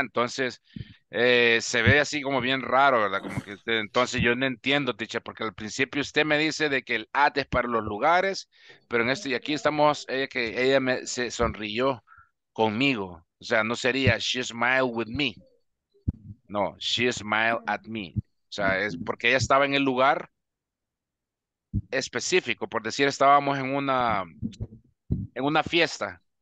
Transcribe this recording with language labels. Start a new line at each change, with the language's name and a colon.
Spanish: Entonces, se ve así como bien raro, ¿verdad? Como que usted, entonces yo no entiendo, Ticha, porque al principio usted me dice de que el at es para los lugares, pero en este y aquí estamos, ella me se sonrió conmigo. O sea, no sería
English: she smiled with me. No, she smiled at me.
Spanish: O sea, es porque ella estaba en el lugar específico, por decir, estábamos en una fiesta.